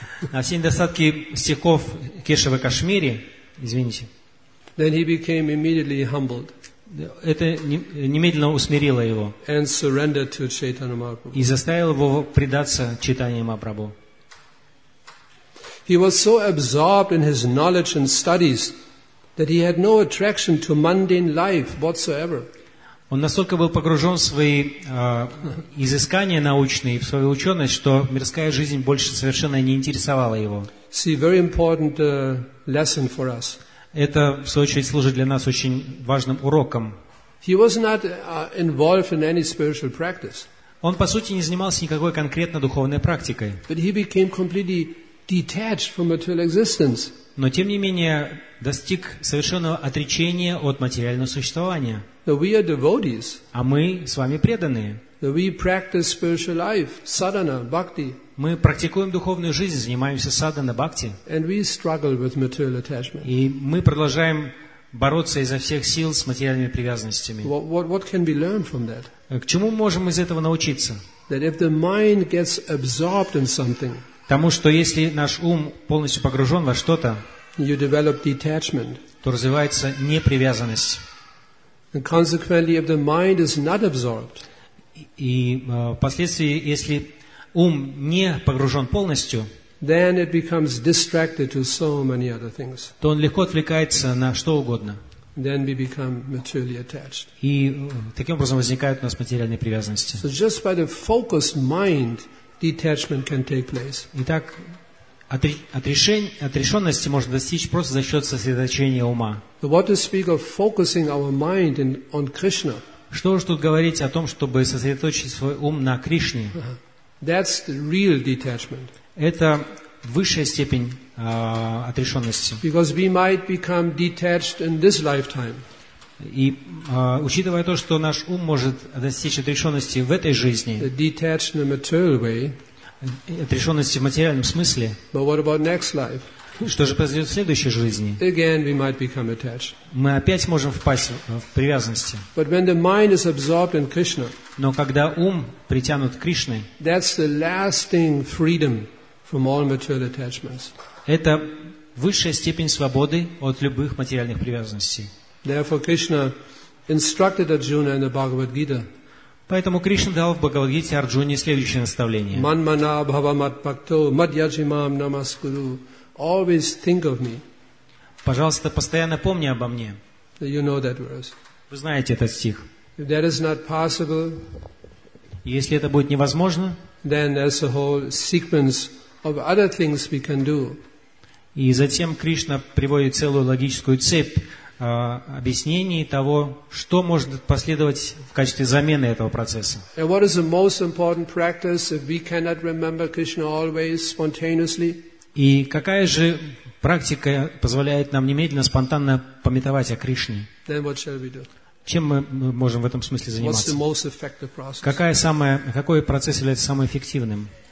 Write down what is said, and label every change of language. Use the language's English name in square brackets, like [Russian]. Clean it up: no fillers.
[Russian] На все недостатки стихов Кешава Кашмири, извините. [English] Then he became immediately humbled. [Russian] Это немедленно усмирило его. [English] And surrendered to Chaitanya Mahaprabhu. [Russian] И заставило его предаться Чайтанье Махапрабху. [English] He was so absorbed in his knowledge and studies that he had no attraction to mundane life whatsoever. [Russian] Он настолько был погружен в свои изыскания научные, в свою ученость, что мирская жизнь больше совершенно не интересовала его. [English] See, very important lesson for us. [Russian] Это, в свою очередь, служит для нас очень важным уроком. [English] He was not involved in any spiritual practice. [Russian] Он, по сути, не занимался никакой конкретно духовной практикой. [English] But he became completely detached from material existence. [Russian] Но, тем не менее, достиг совершенного отречения от материального существования. [English] That we are devotees. [Russian] А мы с вами преданные. [English] That we practice spiritual life, sadhana, bhakti. [Russian] Мы практикуем духовную жизнь, занимаемся садхана, бхакти. [English] And we struggle with material attachment. [Russian] И мы продолжаем бороться изо всех сил с материальными привязанностями. [English] What can we learn from that? [Russian] К чему мы можем из этого научиться? [English] That if the mind gets absorbed in something, [Russian] тому, что если наш ум полностью погружен во что-то, [English] you develop detachment. [Russian] То развивается непривязанность. [English] And consequently, if the mind is not absorbed, [Russian] впоследствии, если ум не погружен полностью, [English] then it becomes distracted to so many other things. [Russian] То он легко отвлекается на что угодно. [English] Then we become materially attached. [Russian] И таким образом возникают у нас материальные привязанности. [English] So just by the focused mind, detachment can take place. [Russian] Итак, отрешенности можно достичь просто за счет сосредоточения ума. [English] So what to speak of focusing our mind on Krishna? [Russian] Что уж тут говорить о том, чтобы сосредоточить свой ум на Кришне? [English] That's the real detachment. [Russian] Это высшая степень отрешенности. [English] Because we might become detached in this lifetime. [Russian] И учитывая то, что наш ум может достичь отрешенности в этой жизни, [English] the detached in a material way, [Russian] отрешенности в материальном смысле, [English] but what about next life? [Russian] Что же произойдет в следующей жизни? [English] Again, we might become attached. [Russian] Мы опять можем впасть в привязанности. [English] But when the mind is absorbed in Krishna, [Russian] но когда ум притянут к Кришне, [English] that's the lasting freedom from all material attachments. [Russian] Это высшая степень свободы от любых материальных привязанностей. [English] Therefore, Krishna instructed Arjuna in the Bhagavad Gita. [Russian] Поэтому Кришна дал в Бхагавад-гите Арджуне следующее наставление. [Sanskrit] Манмана бхавамат пакто мадьяджимам намаскуру. [English] Always think of me. [Russian] Пожалуйста, постоянно помни обо мне. [English] You know that verse. [Russian] Вы знаете этот стих. [English] If that is not possible, [Russian] если это будет невозможно, [English] then there's a whole sequence of other things we can do. [Russian] И затем Кришна приводит целую логическую цепь объяснений того, что может последовать в качестве замены этого процесса. [English] And what is the most important practice if we cannot remember Krishna always spontaneously? [Russian] И какая же практика позволяет нам немедленно, спонтанно памятовать о Кришне? [English] Then what shall we do? [Russian] Чем мы можем в этом смысле заниматься? [English] What's the most effective process? [Russian] Какой процесс является самым эффективным?